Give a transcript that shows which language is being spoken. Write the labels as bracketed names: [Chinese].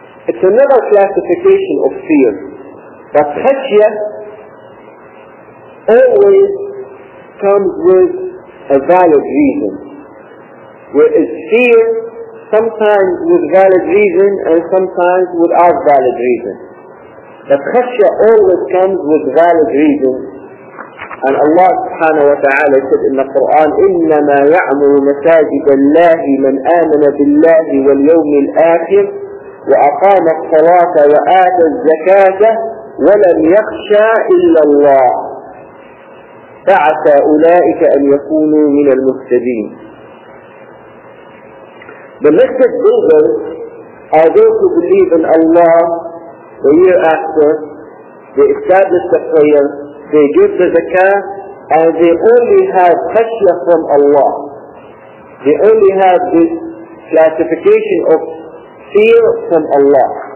[English] It's another classification of fear. But khashya always comes with a valid reason. Whereas fear, sometimes with valid reason and sometimes without valid reason. The khashya always comes with valid reason. And Allah subhanahu wa ta'ala said in the Quran, [Arabic] إِنَّمَا يَعْمُرُ مَسَاجِدَ اللَّهِ مَنْ آمَنَ بِاللَّهِ وَالْيَوْمِ الْآخِرِ وَأَقَامَ الصَّلَاةَ وَآتَ الزَّكَاةَ وَلَمْ يَخْشَى إِلَّا اللَّهِ فَعَسَى أُولَٰئِكَ أَنْ يَكُونُوا مِنَ الْمُهْتَدِينَ. [English] The blessed believers are those who believe in Allah the year after, they establish the prayer, they give the zakah, and they only have khashya from Allah. They only have this classification of fear from Allah.